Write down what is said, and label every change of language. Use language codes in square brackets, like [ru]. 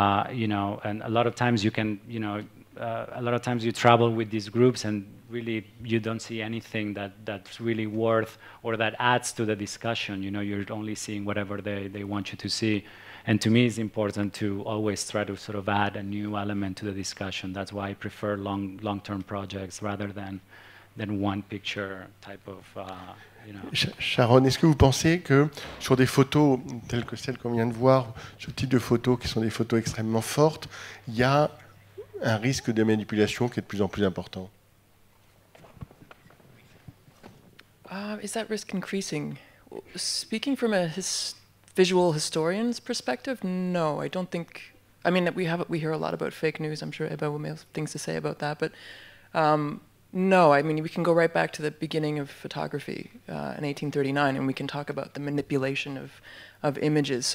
[en] you know, and a lot of times you can, you know, a lot of times you travel with these groups and really you don't see anything that's really worth or that adds to the discussion. You know, you're only seeing whatever they want you to see, and to me it's important to always try to sort of add a new element to the discussion. That's why I prefer long-term projects rather than one picture type of, you know. [fr] Sharon, est-ce que vous pensez que sur des photos telles que celles qu'on vient de voir, ce type de photos qui sont des photos extrêmement fortes, il y a un risque de manipulation qui est de plus en plus important? [en] Is that risk increasing? Speaking from a visual historian's perspective, no, I don't think. I mean, that we hear a lot about fake news. I'm sure Eva will have things to say about that, but. No, I mean, we can go right back to the beginning of photography in 1839, and we can talk about the manipulation of images.